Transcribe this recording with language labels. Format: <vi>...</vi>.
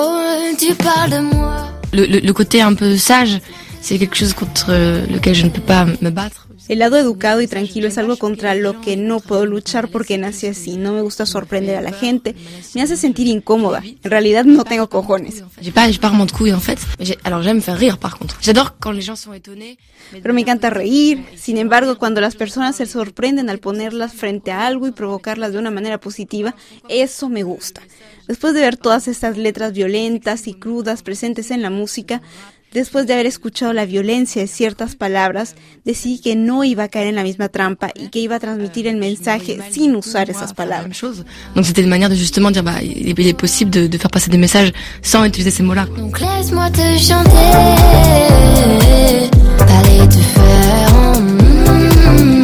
<fr>Le côté un peu sage, c'est quelque chose contre lequel je ne peux pas me battre.</fr> <es>El lado educado y tranquilo es algo contra lo que no puedo luchar porque nací así. No me gusta sorprender a la gente. Me hace sentir incómoda. En realidad no tengo cojones. Pero me encanta reír. Sin embargo, cuando las personas se sorprenden al ponerlas frente a algo y provocarlas de una manera positiva, eso me gusta. Después de ver todas estas letras violentas y crudas presentes en la música, después de haber escuchado la violencia de ciertas palabras, decidí que no iba a caer en la misma trampa y que iba a transmitir el mensaje sin usar esas palabras.</es> <fr>Donc c'était une manière de justement dire bah il est possible de faire passer des messages sans utiliser ces mots-là. Donc laisse-moi te chanter. Parler de faire.</fr>